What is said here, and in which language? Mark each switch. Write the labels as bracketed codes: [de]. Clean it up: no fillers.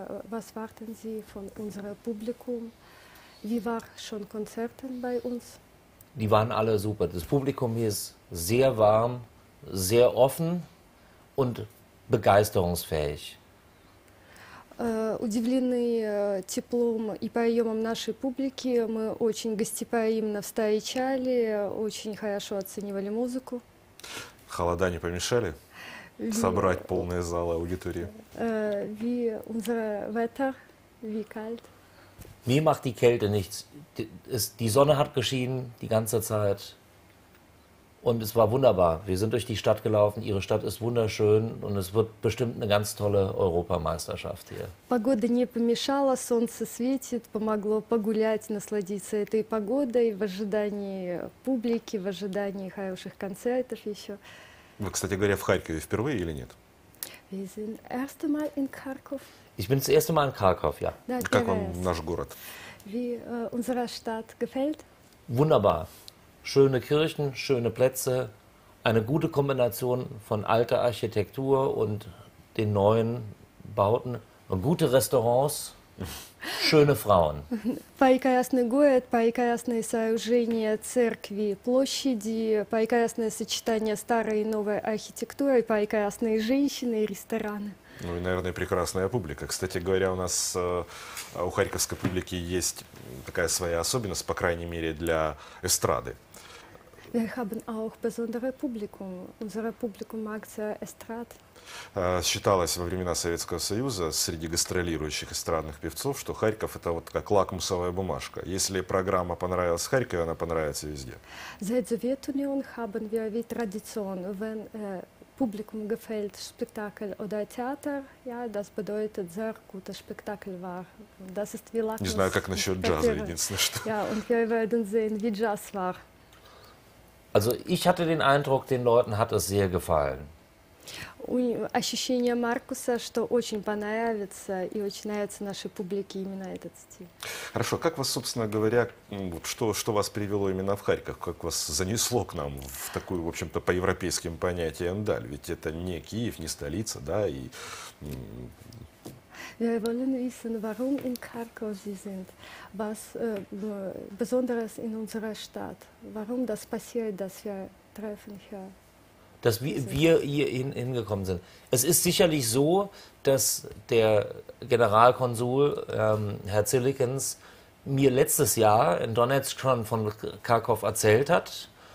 [de] Was warten Sie von unserem Publikum? Wie waren schon Konzerte bei uns? Die waren alle super. Das Publikum hier ist sehr warm, sehr offen und begeisterungsfähig. [ru] Удивлены теплом и приемом нашей публики. Мы очень гостеприимно встречали, очень хорошо оценивали музыку. Холода не помешали собрать полные залы аудитории? [de] Wie unser Wetter, wie kalt? Mir macht die Kälte nichts. Die Sonne hat geschienen die ganze Zeit. Und es war wunderbar. Wir sind durch die Stadt gelaufen. Ihre Stadt ist wunderschön und es wird bestimmt eine ganz tolle Europameisterschaft hier. [ru] Погода не помешала, солнце светит, помогло погулять, насладиться этой погодой в ожидании публики, в ожидании хороших концертов еще. Вы, кстати говоря, в Харькове впервые или нет? [de] Wir sind das erste Mal in Kharkov. Ich bin das erste Mal in Kharkov, ja. [ru] Да, как вам наш город? [de] Wie unsere Stadt gefällt? Wunderbar. Schöne Kirchen, schöne Plätze, eine gute Kombination von alter Architektur und den neuen Bauten, gute Restaurants, schöne Frauen. [ru] Прекрасный город, прекрасные сооружения, церкви, площади, прекрасное сочетание старой и новой архитектуры, прекрасные женщины и рестораны. Ну и, наверное, прекрасная публика. Кстати говоря, у нас у харьковской публики есть такая своя особенность, по крайней мере, для эстрады. [de] Wir haben auch besondere Publikum. Unser Publikum mag sehr Estrade. [ru] Считалось во времена Советского Союза среди гастролирующих эстрадных певцов, что Харьков это вот как лакмусовая бумажка. Если программа понравилась в Харькове, она понравится везде. [de] Seit Sowjetunion haben wir wie Tradition, wenn Publikum gefällt Spektakel oder Theater, ja, das bedeutet sehr guter Spektakel war. Das ist wie Lakmus. [ru] Не знаю, как насчет джаза, единственное что. [de] Ja, und wir werden sehen, wie Jazz war. Also ich hatte den Eindruck, den Leuten hat es sehr gefallen. [ru] Ощущение Маркуса, что очень понравится и очень нравится нашей публике именно этот стиль. Хорошо, как вас, собственно говоря, что вас привело именно в Харьков? Как вас занесло к нам в такую, в общем-то, по европейским понятиям даль? Ведь это не Киев, не столица, да, и... [de] Wir wollen wissen, warum in Kharkov Sie sind, was besonders in unserer Stadt, warum das passiert, dass wir treffen hier. Dass wir hier hingekommen sind. Es ist sicherlich so, dass der Generalkonsul, Herr Zillikens, mir letztes Jahr in Donetsk schon von Kharkov erzählt hat.